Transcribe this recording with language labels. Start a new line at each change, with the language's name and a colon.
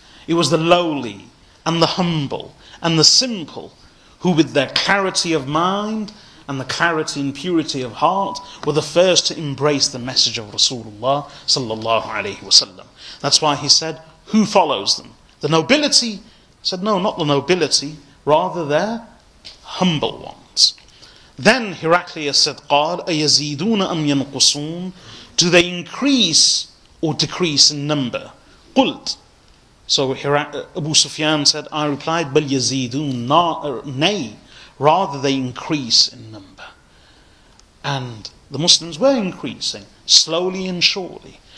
English: It was the lowly and the humble and the simple who, with their clarity of mind and the clarity and purity of heart, were the first to embrace the message of Rasulullah sallallahu alayhi wasallam. That's why he said, who follows them? The nobility? Said, no, not the nobility, rather their humble ones. Then Heraclius said,
Arabic: قال أَيَزِيدُونَ أَمْ يَنْقُصُونَ.
English: Do they increase or decrease in number?
Arabic: قُلْت.
English: So Abu Sufyan said, I replied,
Arabic: بَلْ يَزِيدُونَ.
English: Nay, rather they increase in number. And the Muslims were increasing, slowly and surely.